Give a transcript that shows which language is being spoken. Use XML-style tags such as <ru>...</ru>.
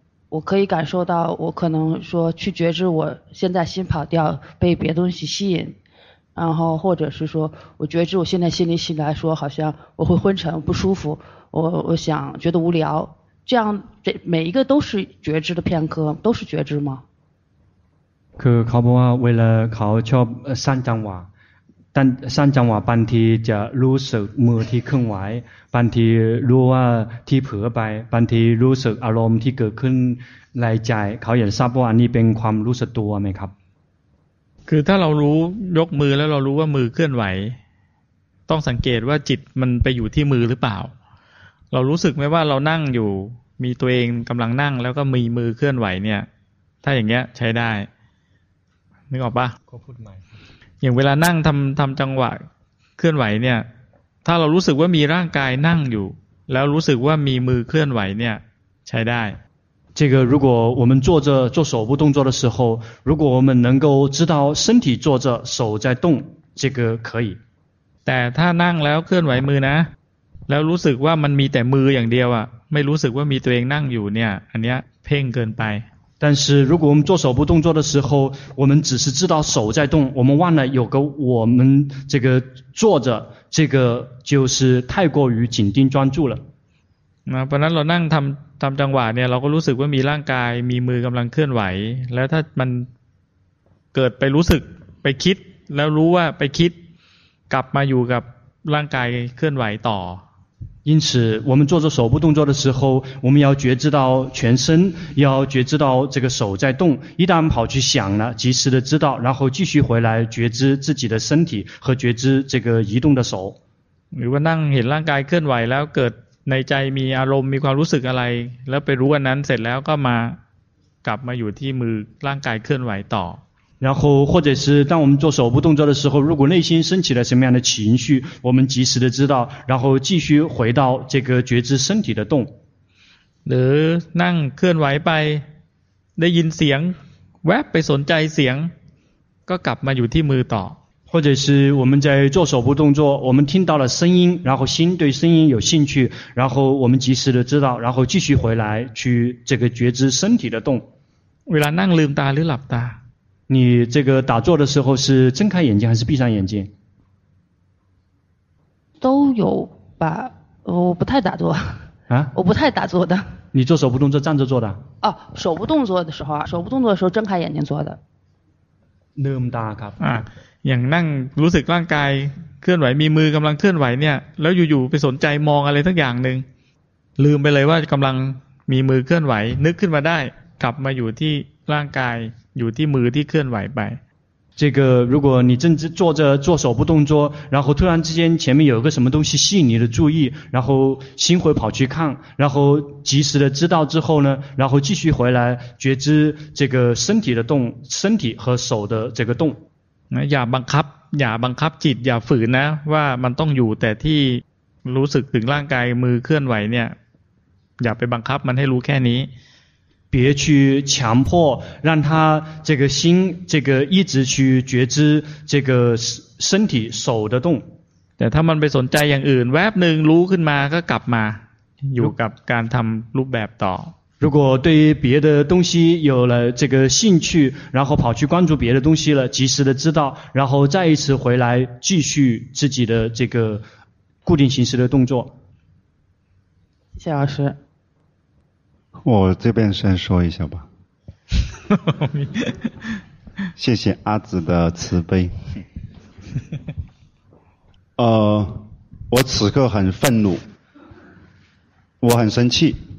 <zh>我可以感受到我可能说去觉知我现在心跑掉被别东西吸引然后或者是说我觉知我现在心里醒来说好像我会昏沉不舒服我想觉得无聊这样这每一个都是觉知的片刻都是觉知吗</zh> <th>คือเขาบอกว่าเวลาเขาชอบสร้างจังหวะสร้างจังหวะบางทีจะรู้สึกมือที่เคลื่อนไหวบางทีรู้ว่าที่เผลอไปบางทีรู้สึกอารมณ์ที่เกิดขึ้นในใจเขาอยากทราบว่าอันนี้เป็นความรู้สึกตัวไหมครับ คือถ้าเรารู้ยกมือแล้วเรารู้ว่ามือเคลื่อนไหวต้องสังเกตว่าจิตมันไปอยู่ที่มือหรือเปล่าเรารู้สึกไหมว่าเรานั่งอยู่มีตัวเองกำลังนั่งแล้วก็มีมือเคลื่อนไหวเนี่ยถ้าอย่างเงี้ยใช้ได้นึกออกปะ ก็พูดใหม่อย่างเวลานั่งทำจังหวะเคลื่อนไหวเนี่ยถ้าเรารู้สึกว่ามีร่างกายนั่งอยู่แล้วรู้สึกว่ามีมือเคลื่อนไหวเนี่ยใช้ได้</th> <zh>这个如果我们坐着做手部动作的时候如果我们能够知道身体坐着手在动这个可以</zh> <th>แต่ถ้านั่งแล้วเคลื่อนไหวมือนะแล้วรู้สึกว่ามันมีแต่มืออย่างเดียวอ่ะไม่รู้สึกว่ามีตัวเองนั่งอยู่เนี่ยอันเนี้ยเพ่งเกินไป</th> <zh>但是如果我们做手部动作的时候我们只是知道手在动我们忘了有个我们这个坐着这个就是太过于紧盯专注了本来我们做</zh> <th>จังหวะเนี่ยเราก็รู้สึกว่ามีร่างกายมีมือกําลังเคลื่อนไหวแล้วถ้ามันเกิดไปรู้สึกไปคิดแล้วรู้ว่าไปคิดกลับมาอยู่กับ 让该更歪倒。</th> <zh>因此我们做着手部动作的时候，我们要觉知到全身，要觉知到这个手在动，一旦跑去想了，及时的知道，然后继续回来觉知自己的身体和觉知这个移动的手。如果</zh> <th>นั่งเห็นร่างกายเคลื่อนไหวแล้วเกิดในใจมีอารมณ์มีความรู้สึกอะไรแล้วไปรู้อันนั้นเสร็จแล้วก็มากลับมาอยู่ที่มือร่างกายเคลื่อนไหวต่อ</th> <zh>然后或者是当我们做手部动作的时候，如果内心升起了什么样的情绪，我们及时的知道，然后继续回到这个觉知身体的动。</zh> <th>หรือนั่งเคลื่อนไหวไปได้ยินเสียงแวบไปสนใจเสียงก็กลับมาอยู่ที่มือต่อ</th> <zh>或者是我们在做手部动作，我们听到了声音，然后心对声音有兴趣，然后我们及时的知道，然后继续回来去这个觉知身体的动。</zh> <th>เวลานั่งลืมตาหรือหลับตา</th> <zh>你这个打坐的时候是睁开眼睛还是闭上眼睛？都有吧，我不太打坐。啊？我不太打坐的。你做手部动作站着做的？哦，手部动作的时候啊，手部动作的时候睁开眼睛做的。</zh> <th>ลืมตาครับ。啊，อย่างนั่งรู้สึกร่างกายเคลื่อนไหวมีมือกำลังเคลื่อนไหวเนี่ยแล้วอยู่ๆไปสนใจมองอะไรทั้งอย่างหนึ่งลืมไปเลยว่ากำลังมีมือเคลื่อนไหวนึกขึ้นมาได้กลับมาอยู่ที่ร่างกายอยู่ที่มือที่เคลื่อนไหวไป</th> <zh>这个如果你正坐着做手部动作，然后突然之间前面有个什么东西吸引你的注意，然后心会跑去看，然后及时的知道之后呢，然后继续回来觉知这个身体的动，身体和手的这个动。</zh> <th>อย่าบังคับอย่าบังคับจิตอย่าฝืนนะว่ามันต้องอยู่แต่ที่รู้สึกถึงร่างกายมือเคลื่อนไหวเนี่ยอย่าไปบังคับมันให้รู้แค่นี้</th> <zh>别去强迫让他这个心这个一直去觉知这个身体手的动</zh> <th>แต่ถ้ามันไปสนใจอย่างอื่นแวบหนึ่งรู้ขึ้นมาก็กลับมาอยู่กับการทำรูปแบบต่อ</th> <zh>如果对于别的东西有了这个兴趣然后跑去关注别的东西了及时的知道然后再一次回来继续自己的这个固定形式的动作谢谢老师我这边先说一下吧谢谢阿紫的慈悲我此刻很愤怒我很生气</zh>